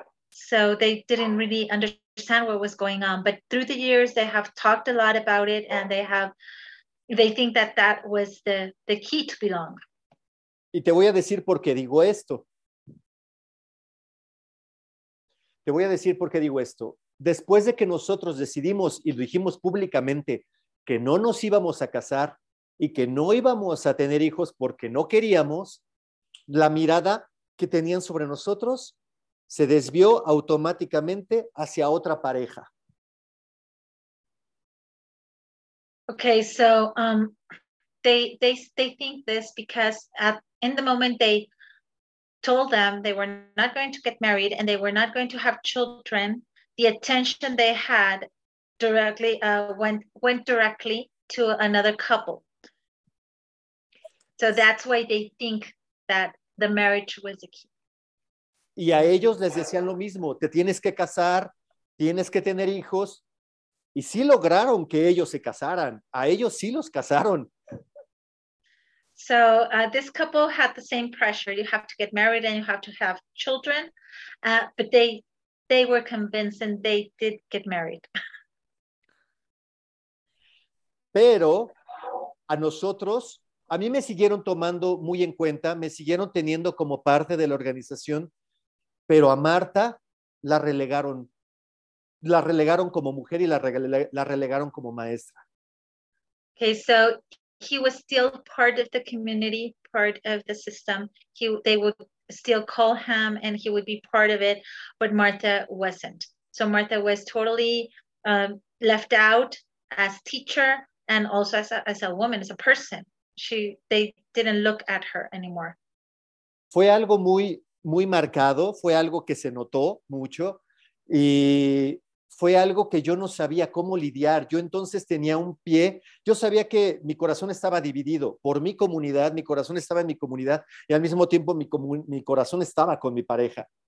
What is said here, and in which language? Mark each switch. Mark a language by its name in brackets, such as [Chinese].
[English] So they didn't really understand what was going on, but through the years they have talked a lot about it and they think that that was the key to belong. [Spanish] Y te voy a decir por qué digo esto. Te voy a decir por qué digo esto. Después de que nosotros decidimos y lo dijimos públicamente que no nos íbamos a casar y que no íbamos a tener hijos porque no queríamos, la mirada que tenían sobre nosotros se desvió automáticamente hacia otra pareja. [English] Okay, so they think this because at in the moment they told them they were not going to get married and they were not going to have children, the attention they had directly went directly to another couple. So that's why they think that the marriage was the key. [Spanish] Y a ellos les decían lo mismo, te tienes que casar, tienes que tener hijos, y sí lograron que ellos se casaran, a ellos sí los casaron. [English] So this couple had the same pressure, you have to get married and you have to have children, but they were convinced and they did get married. [Spanish] Pero a nosotros, a mí me siguieron tomando muy en cuenta, me siguieron teniendo como parte de la organización, pero a Marta la relegaron como mujer y la relegaron como maestra. [English] Okay, so he was still part of the community, part of the system. They would still call him and he would be part of it, but Marta wasn't. So Marta was totally left out as teacher. And also as a woman, as a person, they didn't look at her anymore. [Spanish] Fue algo muy, muy marcado, fue algo que se notó mucho y fue algo que yo no sabía cómo lidiar. Yo entonces tenía un pie, yo sabía que mi corazón estaba dividido por mi comunidad, mi corazón estaba en mi comunidad y al mismo tiempo mi corazón estaba con mi pareja.